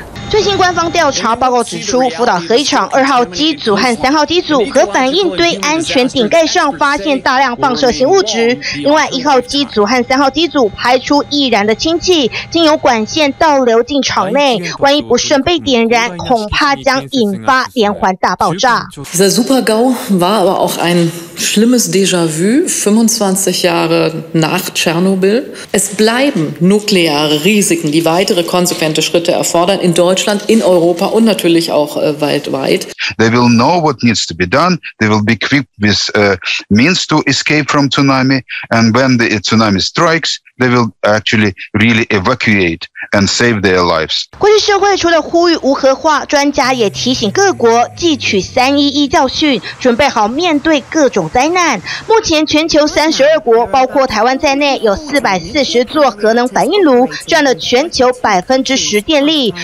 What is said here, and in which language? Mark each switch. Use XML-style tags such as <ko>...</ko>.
<zh>最新官方调查报告指出，福岛核一厂二号机组和三号机组核反应堆安全顶盖上发现大量放射性物质。另外，一号机组和三号机组排出易燃的氢气，经由管线倒流进厂内，万一不慎被点燃，恐怕将引发连环大爆炸。</zh> <de>Dieser Super-GAU war aber auch ein schlimmes Déjà-vu, 25 Jahre nach Tschernobyl. Es bleiben nukleare Risiken, die weitere konsequente Schritte erfordern in Deutschland, in Europa und natürlich auch weltweit.</de> <en>They will know what needs to be done. They will be equipped with means to escape from tsunami. And when the tsunami strikes, they will actually really evacuate and save their lives.</en> <zh>国际社会除了呼吁无核化，专家也提醒各国汲取311教训，准备好面对各种灾难。目前全球32国，包括台湾在内，有440座核能反应炉，占了全球10%电力。</zh>